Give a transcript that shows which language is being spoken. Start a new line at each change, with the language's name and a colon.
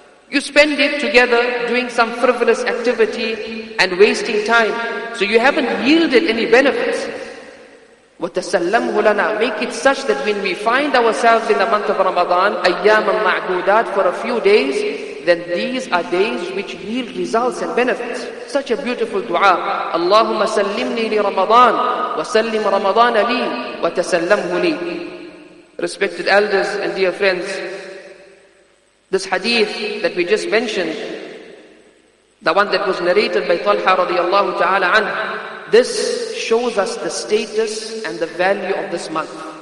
English: You spend it together doing some frivolous activity and wasting time. So you haven't yielded any benefits.
Arabic: وَتَسَلَّمْهُ لَنَا
English: Make it such that when we find ourselves in the month of Ramadan,
Arabic: أَيَّامًا مَعْدُودَاتٍ
English: for a few days, then these are days which yield results and benefits. Such a beautiful dua.
Arabic: اللهم سلمني لرمضان وسلم رمضان لي وتسلمه لي.
English: Respected elders and dear friends, this hadith that we just mentioned, the one that was narrated by Talha radiallahu ta'ala anhu, this shows us the status and the value of this month.